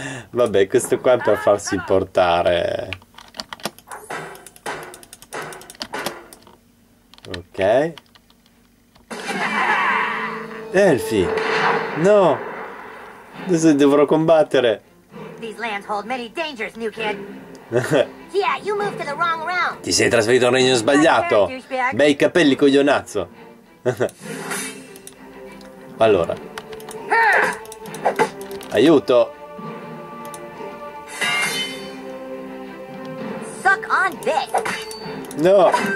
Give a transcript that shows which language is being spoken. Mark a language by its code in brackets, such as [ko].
[it] Vabbè, questo qua è per farsi portare. Ok. Elfi! No! Adesso dovrò combattere! [en] These lands hold many dangers, new kid. Yeah, you moved to the wrong round. [it] Ti sei trasferito al regno sbagliato! Bei capelli, coglionazzo! Allora. Aiuto! [en] Suck on this! No!